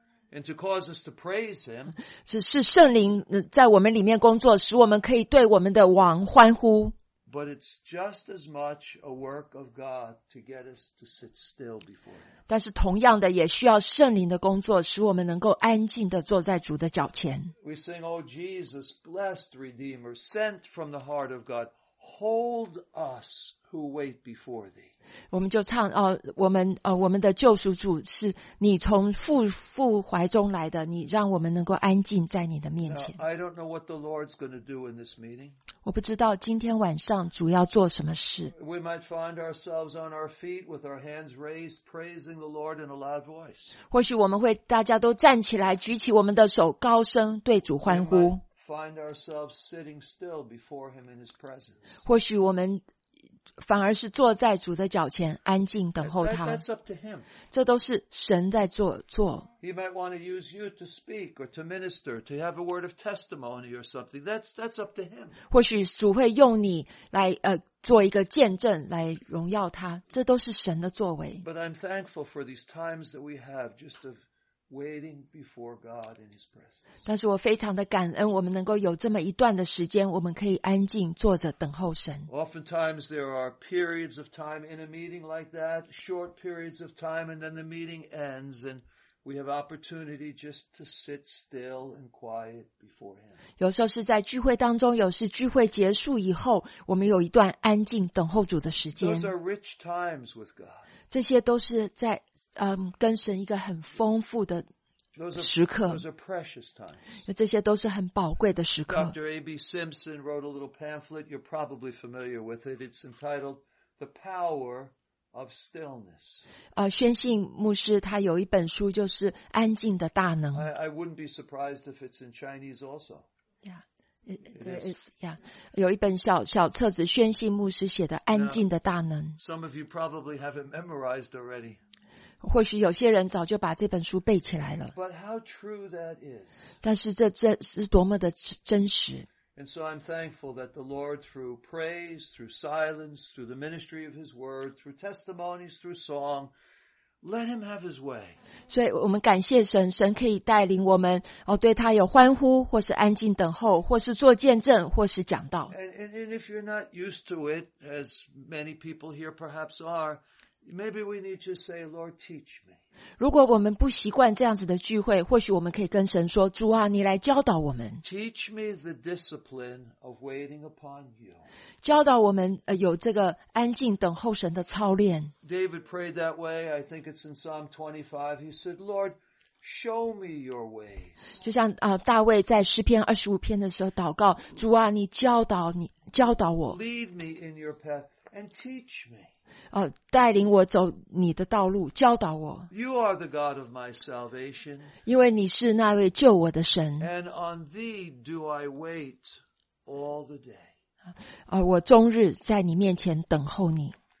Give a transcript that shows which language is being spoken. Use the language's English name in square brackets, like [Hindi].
[English] And to cause us to praise him. [Chinese] 是圣灵在我们里面工作，使我们可以对我们的王欢呼。 [English] But it's just as much a work of God to get us to sit still before him. [Chinese] 但是同样的也需要圣灵的工作，使我们能够安静地坐在主的脚前。 [English] We sing, Oh Jesus, blessed Redeemer, sent from the heart of God, hold us who wait before thee. [Chinese] 我们就唱，我们的救赎主是你从父怀中来的，你让我们能够安静在你的面前。 [English] I don't know what the Lord's going to do in this meeting. [Chinese] 我不知道今天晚上主要做什么事。 [English] We might find ourselves on our feet with our hands raised, praising the Lord in a loud voice. [Chinese] 或许我们会大家都站起来，举起我们的手，高声对主欢呼。 [English] We might find ourselves sitting still before him in his presence. [Chinese] 或许我们反而是坐在主的脚前，安静等候他。 [English] That's up to him. [Chinese] 这都是神在做。 [English] He might want to use you to speak or to minister, to have a word of testimony or something. That's up to him. [Chinese] 或许主会用你来做一个见证，来荣耀他。这都是神的作为。 [English] But I'm thankful for these times that we have just of waiting before God in His presence. [Chinese] 但是我非常的感恩，我们能够有这么一段的时间，我们可以安静坐着等候神。 [English] Oftentimes there are periods of time in a meeting like that, short periods of time, and then the meeting ends and. We have opportunity just to sit still and quiet before him. [Chinese] 有时候是在聚会当中，有时聚会结束以后，我们有一段安静等候主的时间。 [English] Those are rich times with God. [Chinese] 这些都是在跟神一个很丰富的时刻。 [English] Those are precious times. [Chinese] 这些都是很宝贵的时刻。 [English] Dr. A.B. Simpson wrote a little pamphlet. You're probably familiar with it. It's entitled "The Power." Of stillness. [Chinese] 宣信牧师他有一本书就是安静的大能。 [English] I wouldn't be surprised if it's in Chinese also. Yeah, it is. [Chinese] Yeah. 有一本小册子宣信牧师写的安静的大能。 [English] Now, some of you probably have it memorized already. [Chinese] 或许有些人早就把这本书背起来了。 [English] But how true that is. [Chinese] 但是这是多么的真实。 [English] And so I'm thankful that the Lord, through praise, through silence, through the ministry of His word, through testimonies, through song, let Him have His way. [Chinese] 所以我们感谢神，神可以带领我们，哦，对他有欢呼，或是安静等候，或是做见证，或是讲道。 [English] And if you're not used to it, as many people here perhaps are, maybe we need to say, Lord, teach me. [Chinese] 如果我们不习惯这样子的聚会，或许我们可以跟神说，主啊，你来教导我们。 [English] Teach me the discipline of waiting upon you. [Chinese] 教导我们，有这个安静等候神的操练。 [English] David prayed that way, I think it's in Psalm 25. He said, Lord, show me your ways. [Chinese] 就像大卫在诗篇25篇的时候祷告，主啊，你教导你教导我。 [English] Lead me in your path and teach me. [Chinese] 带领我走你的道路，教导我。 [English] You are the God of my salvation. [Chinese] 因为你是那位救我的神。 [English] And on thee do I wait all the day. [Chinese] 我终日在你面前等候你。